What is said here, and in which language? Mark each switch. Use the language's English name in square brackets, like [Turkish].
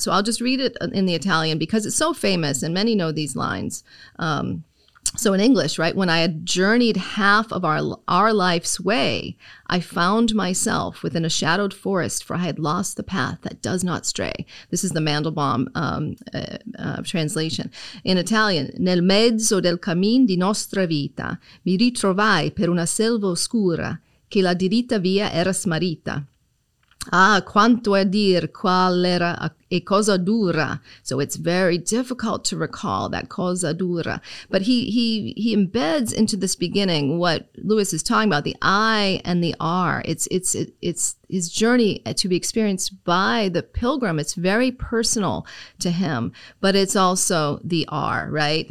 [English] So I'll just read it in the Italian because it's so famous and many know these lines. So in English, right? When I had journeyed half of our life's way, I found myself within a shadowed forest, for I had lost the path that does not stray. This is the Mandelbaum translation. In Italian, [Italian] nel mezzo del cammin di nostra vita, mi ritrovai per una selva oscura, che la diritta via era smarrita. Ah, quanto a dir qual era e cosa dura. [English] So it's very difficult to recall that [Italian] cosa dura. [English] But he embeds into this beginning what Lewis is talking about, the I and the R. It's his journey to be experienced by the pilgrim. It's very personal to him, but it's also the R, right?